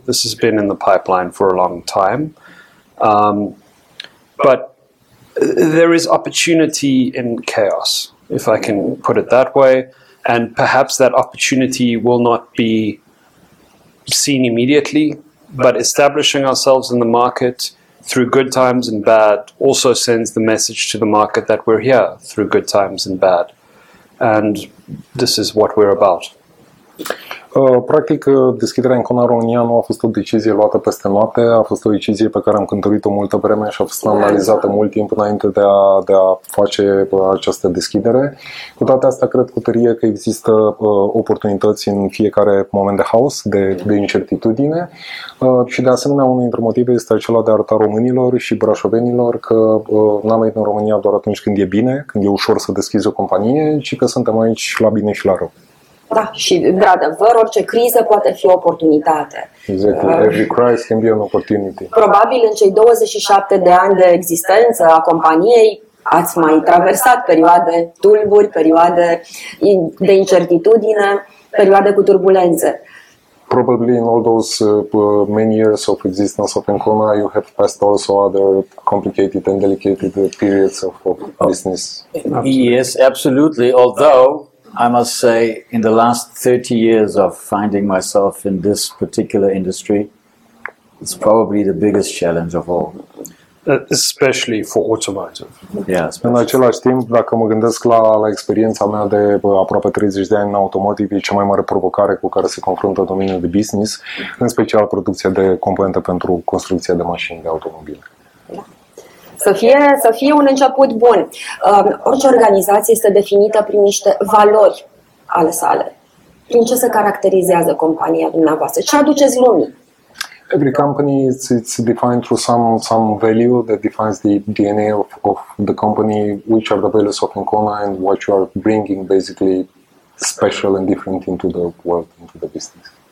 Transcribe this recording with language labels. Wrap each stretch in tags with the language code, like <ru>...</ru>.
<en>This has been in the pipeline for a long time. But there is opportunity in chaos, if I can put it that way, and perhaps that opportunity will not be seen immediately, but establishing ourselves in the market through good times and bad also sends the message to the market that we're here through good times and bad, and this is what we're about.</en> <ro>Practic, deschiderea în Cona România nu a fost o decizie luată peste noapte, a fost o decizie pe care am cântărit-o multă vreme și a fost analizată mult timp înainte de a face această deschidere. Cu toate astea, cred cu tărie că există oportunități în fiecare moment de haos, de incertitudine și de asemenea unul dintre motive este acela de a arăta românilor și brașovenilor că n-am venit în România doar atunci când e bine, când e ușor să deschizi o companie, ci că suntem aici la bine și la rău. Da, și într-adevăr, orice criză poate fi o oportunitate.</ro> <en>Exactly. Every crisis can be an opportunity.</en> <ro>Probabil în cei 27 de ani de existență a companiei ați mai traversat perioade tulburi, perioade de incertitudine, perioade cu turbulențe.</ro> <en>Probably in all those many years of existence of Encona, you have passed also other complicated and delicate periods of business. Absolutely. Yes, absolutely. Although I must say, in the last 30 years of finding myself in this particular industry, It's probably the biggest challenge of all. Especially for automotive. Yes.</en> <ro>În același timp, dacă mă gândesc la, la experiența mea de aproape 30 de ani în automotive, e cea mai mare provocare cu care se confruntă domeniul de business, în special producția de componente pentru construcția de mașini de automobile. Să fie un început bun. Orice organizație este definită prin niște valori ale sale. Prin ce se caracterizează compania dumneavoastră? Ce aduceți lumii?</ro> <en>Every company it's defined through some value that defines the DNA of the company, which are the values of Incona and what you are bringing basically special and different into the world, into the business.</en>